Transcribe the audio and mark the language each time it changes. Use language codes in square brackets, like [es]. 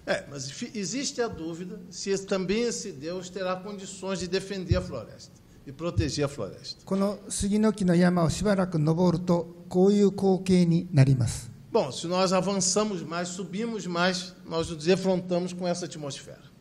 [pt] Mas existe a dúvida se também esse deus terá condições de defender a floresta e proteger a floresta. [ja] この杉の木の山をしばらく登ると、こういう光景になります。 [pt] Bom, se nós avançamos mais, subimos mais, nós nos defrontamos com essa atmosfera.